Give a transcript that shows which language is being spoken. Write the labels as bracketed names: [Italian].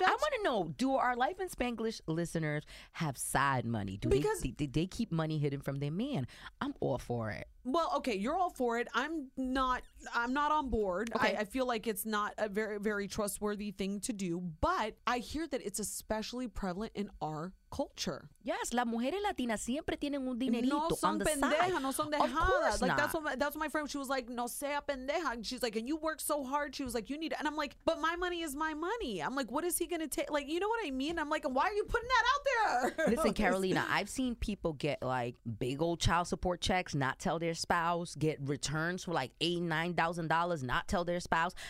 [English] Yeah, I want to know, do our Life in Spanglish listeners have side money? Do because they keep money hidden from their man? I'm all for it. Well, okay, you're all for it. I'm not on board. Okay. I feel like it's not a very, very trustworthy thing to do. But I hear that it's especially prevalent in our culture. [Spanish] Yes, las mujeres latinas siempre tienen un dinerito [English] on the side. [Spanish] No son pendeja, no son dejada. [English] Like, that's what my friend, she was like, [Spanish] no sea pendeja. [English] And she's like, and you work so hard. She was like, you need it. And I'm like, but my money is my money. I'm like, what is he going to take? Like, you know what I mean? I'm like, why are you putting that out there? Listen, Carolina, I've seen people get like big old child support checks, not tell their spouse, get returns for like $8,000-$9,000, not tell their spouse.